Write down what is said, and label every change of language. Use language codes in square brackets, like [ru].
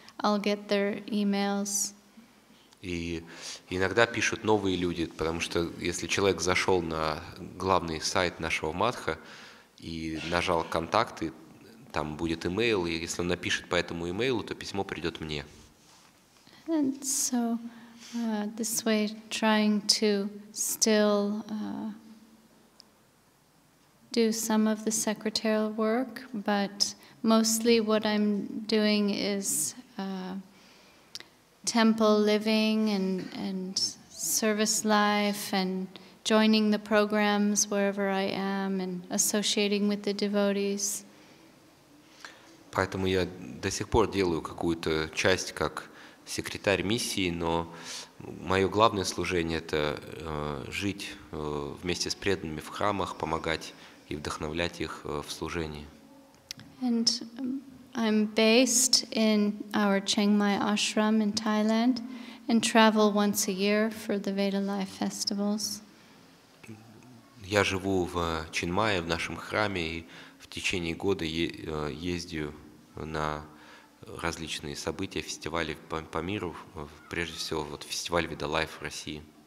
[en] I'll get their emails. [ru] И иногда пишут новые люди, потому что если человек зашел на главный сайт нашего матха и нажал контакты, там будет email, и если он напишет по этому имейлу, то письмо придет мне. [en] And so this way trying to still do some of the secretarial work, but mostly what I'm doing is temple living and service life and joining the programs wherever I am and associating with the devotees. [ru] Поэтому я до сих пор делаю какую-то часть как секретарь миссии, но мое главное служение – это жить вместе с преданными в храмах, помогать и вдохновлять их в служении. [en] And I'm based in our Chiang Mai ashram in Thailand and travel once a year for the Veda Life festivals. [ru] Я живу в Чинмае, в нашем храме, и в течение года ездю на различные события, фестивали по миру, прежде всего вот фестиваль Veda Life в России.